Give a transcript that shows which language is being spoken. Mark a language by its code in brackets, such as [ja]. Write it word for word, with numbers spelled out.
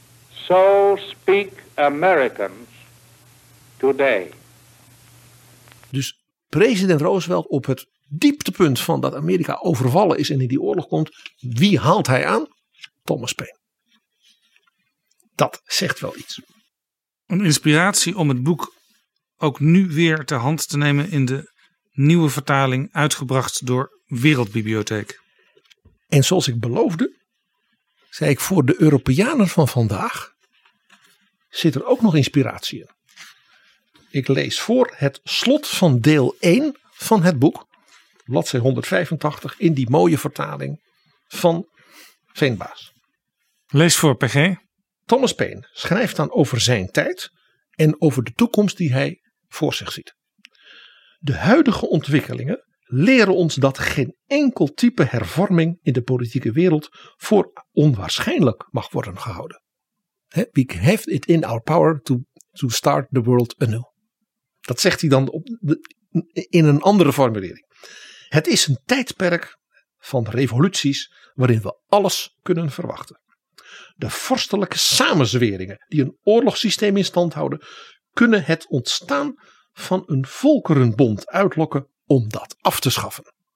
[en] So speak Americans today. [nl] Dus president Roosevelt op het dieptepunt van dat Amerika overvallen is en in die oorlog komt. Wie haalt hij aan? Thomas Paine. Dat zegt wel iets. Een inspiratie om het boek ook nu weer ter hand te nemen in de nieuwe vertaling uitgebracht door Wereldbibliotheek. En zoals ik beloofde, zei ik, voor de Europeanen van vandaag zit er ook nog inspiratie in. Ik lees voor het slot van deel één van het boek, bladzij honderdvijfentachtig, in die mooie vertaling van Veenbaas. Lees voor, P G. Thomas Paine schrijft dan over zijn tijd en over de toekomst die hij voor zich ziet. De huidige ontwikkelingen leren ons dat geen enkel type hervorming in de politieke wereld voor onwaarschijnlijk mag worden gehouden. [en] We have it in our power to, to start the world anew. [nl] Dat zegt hij dan op de, in een andere formulering. Het is een tijdperk van revoluties waarin we alles kunnen verwachten. De vorstelijke samenzweringen die een oorlogssysteem in stand houden, kunnen het ontstaan van een volkerenbond uitlokken om dat af te schaffen.